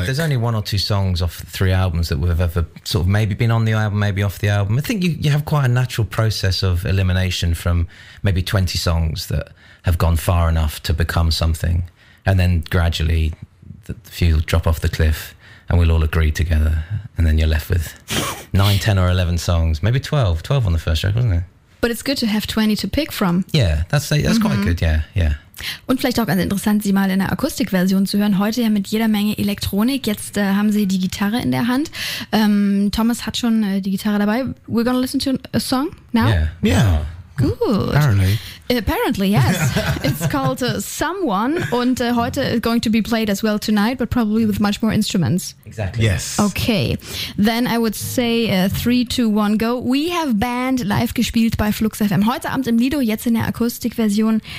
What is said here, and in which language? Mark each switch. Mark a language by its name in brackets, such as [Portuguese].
[English] there's only one or two songs off the three albums that we've ever sort of maybe been on the album, maybe off the album. I think you have quite a natural process of elimination from maybe 20 songs that have gone far enough to become something, and then gradually the few drop off the cliff. And we'll all agree together. And then you're left with 9, 10 or 11 songs. Maybe 12. 12 on the first track, wasn't it? But it's good to have 20 to pick from. Yeah, that's quite good, yeah. [German] Und vielleicht auch ganz interessant, sie mal in einer Akustikversion zu hören. Heute ja mit jeder Menge Elektronik. Jetzt haben sie die Gitarre in der Hand. Thomas hat schon die Gitarre dabei. [English] We're gonna listen to a song now? Yeah. Good. Apparently, yes. It's called Someone, and [German] heute [English] is going to be played as well tonight, but probably with much more instruments. Exactly. Yes. Okay. Then I would say 3, 2, 1, go. We have band [German] live gespielt bei Flux FM. Heute Abend im Lido, jetzt in der Akustikversion.